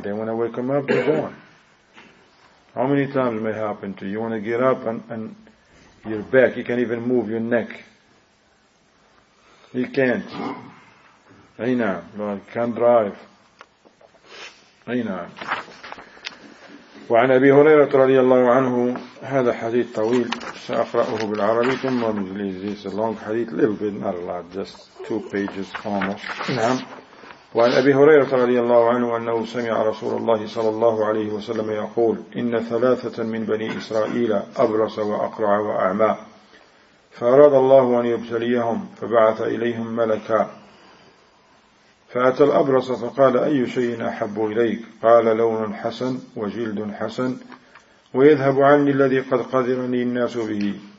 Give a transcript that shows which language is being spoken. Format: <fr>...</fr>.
<en>They want to wake them up, they're gone. How many times may happen to you? You want to get up and your back, you can't even move your neck. You can't. Aina. You can't drive. Aina.</en> <ar>وعن أبي هريرة رضي الله عنه هذا حديث طويل سأقرأه بالعربي ثم بالإنجليزي.</ar> <en>It's a long hadith, a little bit, not a lot, just two pages almost.</en> <ar>نعم. وعن أبي هريرة رضي الله عنه أنه سمع رسول الله صلى الله عليه وسلم يقول إن ثلاثة من بني إسرائيل أبرص وأقرع وأعمى فأراد الله أن يبتليهم فبعث إليهم ملكا فأتى الأبرص فقال أي شيء أحب إليك؟ قال لون حسن وجلد حسن ويذهب عني الذي قد قذرني الناس به.</ar>